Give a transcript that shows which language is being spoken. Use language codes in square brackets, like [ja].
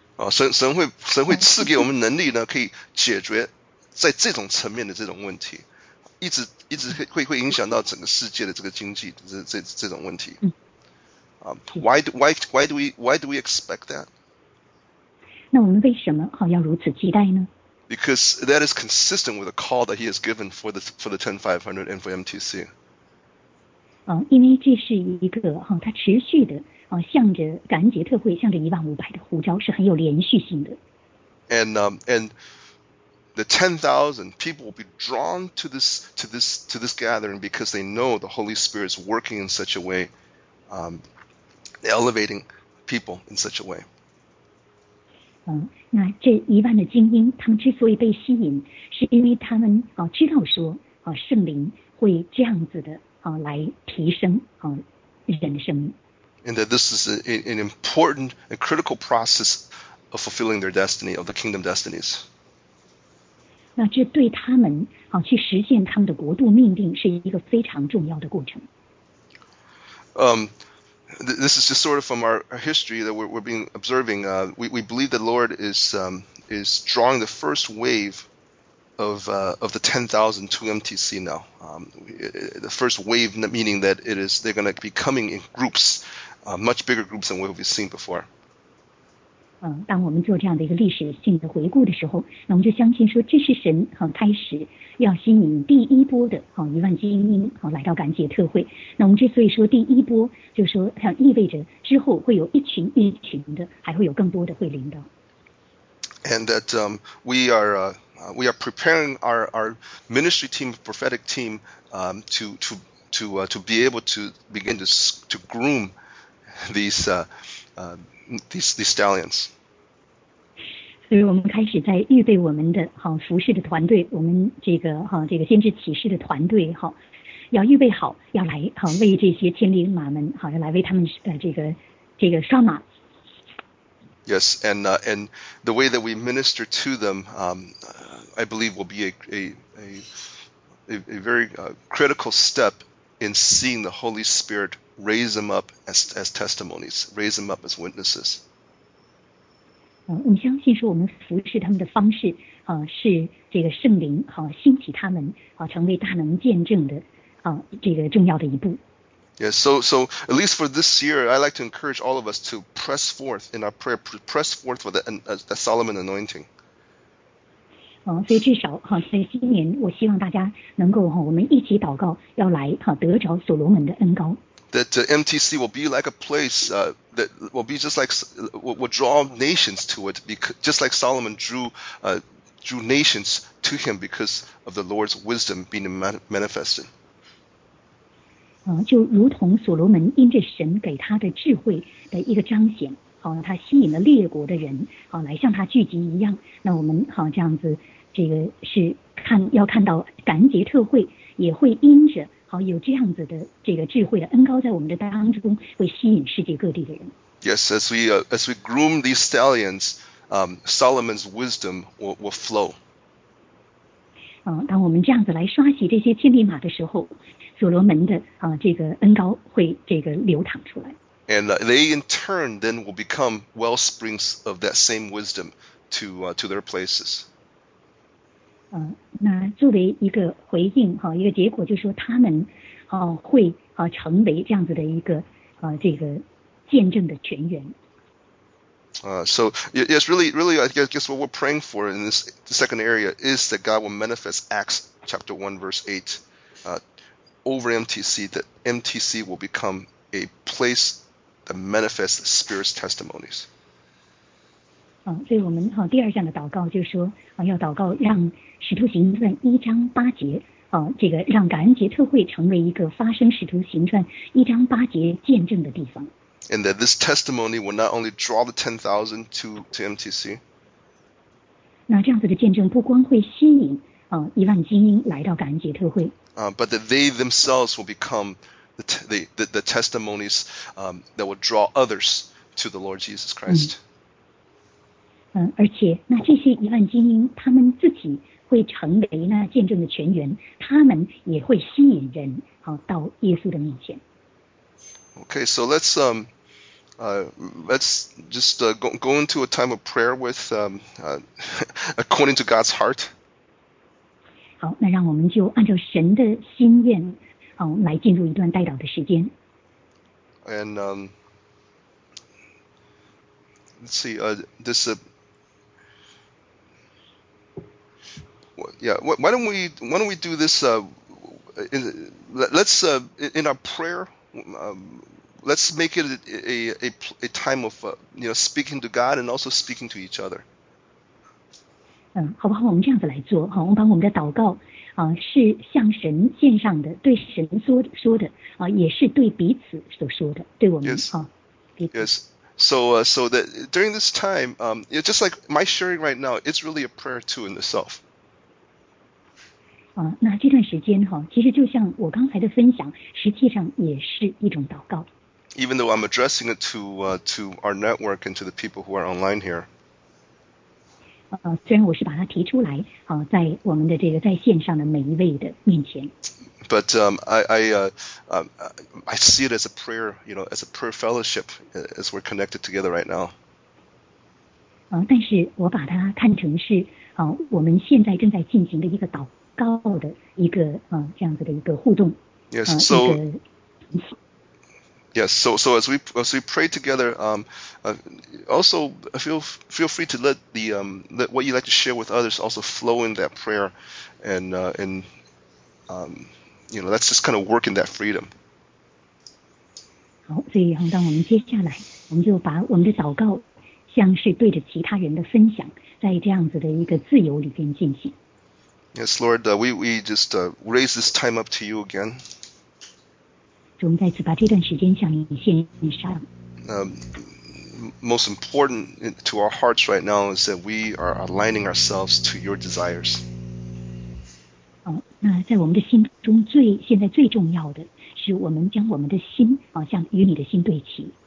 [zh] 神会赐给我们能力呢，可以解决在这种层面的这种问题，一直会影响到整个世界的这个经济这种问题。 [en] Why do we expect that? [zh] 那我们为什么要如此期待呢？ [en] Because that is consistent with the call that he has given for the 10500 and for MTC. [zh] 因为这是一个它持续的向着感恩节特会向着一万五百的呼召是很有连续性的。 [en] And the 10,000 people will be drawn to this gathering because they know the Holy Spirit is working in such a way, elevating people in such a way. [zh] 那这一万的精英，他们之所以被吸引，是因为他们知道说圣灵会这样子的。来提升人的生命。 [en] And that this is an important and critical process of fulfilling their destiny, of the kingdom destinies. [zh] 那这对他们好、啊、去实现他们的国度命定是一个非常重要的过程。 [en] This is just sort of from our history that we're being observing. We believe the Lord is drawing the first wave of the 10,000 to MTC now. The first wave meaning that it is they're going to be coming in groups, much bigger groups than we've seen before. [zh] 当我们做这样的一个历史性的回顾的时候，那我们就相信说这是神好、啊、开始要吸引第一波的好、啊、一万精英好、啊、来到感谢特会。那我们之所以说第一波，就是说它意味着之后会有一群一群的，还会有更多的会临到。 [en] And that we are preparing our ministry team, prophetic team, to be able to begin to groom these stallions. [zh] 所以我们开始在预备我们的好服事的团队，我们这个哈这个先知启示的团队哈，要预备好，要来哈为这些千里马们哈，要来为他们这个刷马。 [en] Yes, and the way that we minister to them, I believe will be a very critical step in seeing the Holy Spirit raise them up as testimonies, raise them up as witnesses. [zh] 我们相信说我们服侍他们的方式啊，是这个圣灵啊兴起他们啊，成为大能见证的啊，这个重要的一步。 [en] Yes, so at least for this year, I'd like to encourage all of us to press forth in our prayer, press forth for the Solomon anointing. [zh] 所以至少哈，在今年，我希望大家能够哈，我们一起祷告，要来哈得着所罗门的恩膏。 [en] That MTC will be like a place that will be just like will draw nations to it, because just like Solomon drew nations to him because of the Lord's wisdom being manifested. [zh] 就如同所罗门因着神给他的智慧的一个彰显，他吸引了列国的人，来向他聚集一样。那我们好这样子，这个是看要看到感恩节特会也会因着好有这样子的这个智慧的恩膏在我们的当中，会吸引世界各地的人。 [en] Yes, as we groom these stallions, Solomon's wisdom will flow. [zh] 当我们这样子来刷洗这些千里马的时候，所罗门的这个恩膏会这个流淌出来。 [en] And they in turn then will become well springs of that same wisdom to their places. [zh] 那作为一个回应一个结果，就是说他们会成为这样子的一个这个见证的泉源。 [en] So yes, really, I guess what we're praying for in this the second area is that God will manifest Acts chapter 1 verse 8 over MTC, that MTC will become a place that manifests the Spirit's testimonies. [zh] 所以我们第二项的祷告就是说要祷告让使徒行传一章八节这个让感恩节特会成为一个发生使徒行传一章八节见证的地方。 [en] And that this testimony will not only draw the 10,000 to MTC. [zh] 那这样子的见证不光会吸引一万精英来到感恩节特会。 [en] But that they themselves will become the testimonies that will draw others to the Lord Jesus Christ. [zh] 而且那这些一万精英他们自己会成为那见证的泉源，他们也会吸引人到耶稣的面前。 [en] Okay, so let's just go into a time of prayer with according to God's heart. [zh] 好，那让我们就按照神的心愿，来进入一段代祷的时间。 [en] And let's see, this yeah, why don't we do this in our prayer. Let's make it a time of speaking to God and also speaking to each other. [zh] 好不好？我们这样子来做哈，我们把我们的祷告是向神献上的，对神说的也是对彼此所说的，对我们 [en] Yes. Yes. So that during this time, just like my sharing right now, it's really a prayer too in itself. [zh] 那这段时间哈，其实就像我刚才的分享，实际上也是一种祷告。 [en] Even though I'm addressing it to our network and to the people who are online here. [zh] 虽然我是把它提出来，在我们的这个在线上的每一位的面前。 [en] But I see it as a prayer, you know, as a prayer fellowship, as we're connected together right now. [zh] 但是我把它看成是我们现在正在进行的一个祷告的一个这样子的一个互动。 [en] Yes, so. Yes, so as we pray together, also feel free to let the let what you like to share with others also flow in that prayer, you know, let's just kind of work in that freedom. [zh] 好，所以让我们接下来，我们就把我们的祷告像是对着其他人的分享，在这样子的一个自由里边进行。 [en] Yes, Lord, we just raise this time up to you again. [zh] 我们再次把这段时间向你献上。 [en] Most important to our hearts right now is that we are aligning ourselves to your desires. [zh] 那在我们的心中现在最重要的是我们将我们的心向与你的心对齐。